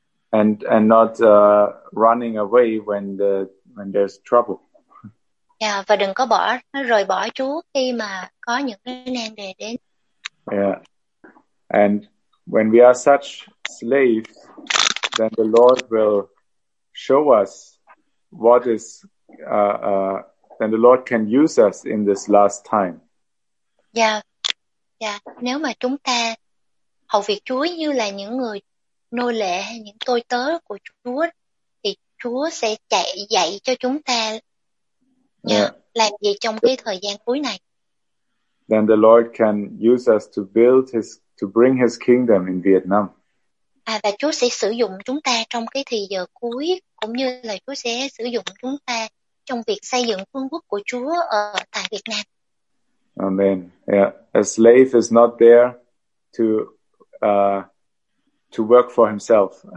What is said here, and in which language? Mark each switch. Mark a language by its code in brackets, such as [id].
[en] And not running away when there's trouble. [vi] Yeah, và đừng có rời bỏ Chúa khi mà có những cái nan đề đến. [en] Yeah. And when we are such slaves, then the Lord will show us what is then the Lord can use us in this last time. Yeah. [vi] Yeah, nếu mà chúng ta hầu việc Chúa như là những người nô lệ hay những tôi tớ của Chúa, thì Chúa sẽ dạy cho chúng ta làm gì trong cái thời gian cuối này. [en] Then the Lord can use us to build his, to bring his kingdom in Vietnam. [vi] À, và Chúa sẽ sử dụng chúng ta trong cái thời giờ cuối, cũng như là Chúa sẽ sử dụng chúng ta trong việc xây dựng vương quốc của Chúa ở tại Việt Nam. [en] Amen. Yeah. A slave is not there to work for himself.